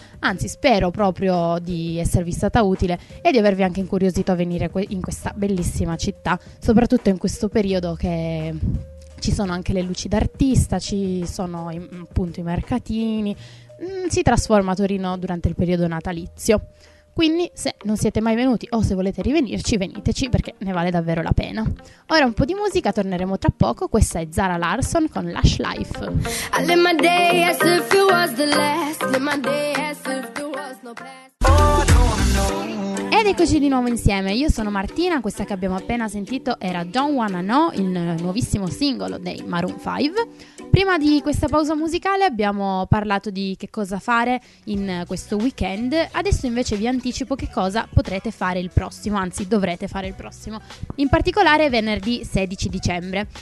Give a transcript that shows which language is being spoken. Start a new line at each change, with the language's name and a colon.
Italian: Anzi, spero proprio di esservi stata utile e di avervi anche incuriosito a venire in questa bellissima città, soprattutto in questo periodo che ci sono anche le luci d'artista, ci sono appunto i mercatini, si trasforma Torino durante il periodo natalizio. Quindi se non siete mai venuti o se volete rivenirci, veniteci, perché ne vale davvero la pena. Ora un po' di musica, torneremo tra poco. Questa è Zara Larsson con Lush Life.
English: I live my day as if it was the last. Live my day as if there was no past.
Italian: Ed eccoci di nuovo insieme, io sono Martina, questa che abbiamo appena sentito era Don't Wanna Know, il nuovissimo singolo dei Maroon 5. Prima di questa pausa musicale abbiamo parlato di che cosa fare in questo weekend, adesso invece vi anticipo che cosa potrete fare il prossimo, anzi dovrete fare il prossimo, in particolare venerdì 16 dicembre.